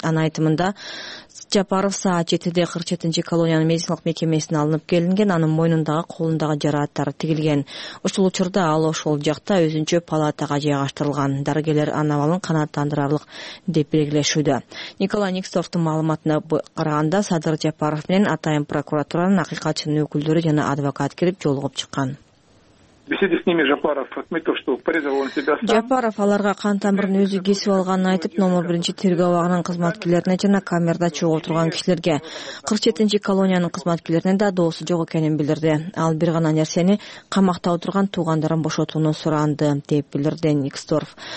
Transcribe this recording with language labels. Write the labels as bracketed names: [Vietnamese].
[Kyrgyz] Анын айтымында Жапаров саат 7:47 колониянын медициналык мекемесине алынып келинген, анын мойнундагы колундагы жараттары тигилген. Ушул учурда ал ошол жакта өзүнчө палатага жайгаштырылган. Дарыгерлер анын абалын канааттандырарлык деп белгилешүүдө. Николай Никсторфтун маалыматына караганда, Садыр Жапаров менен атайын прокуратуранын акыйкатчынын өкүлдөрү жана адвокат кирип жолугуп чыккан. [Russian] Беседе с ними Жапаров отметил, что порезал он себя сам. [Kyrgyz] Жапаров аларга кан тамырын өзү кесип алганын айтып, номер 1 тергөө абагынын кызматкерлерине жана камерада чогуу турган кишилерге 47 колониянын кызматкерлерине да доосу жок экенин билдирди. Ал бир гана нерсени камакта отурган туугандарын бошотууну суранды деп билдирди Никсторф.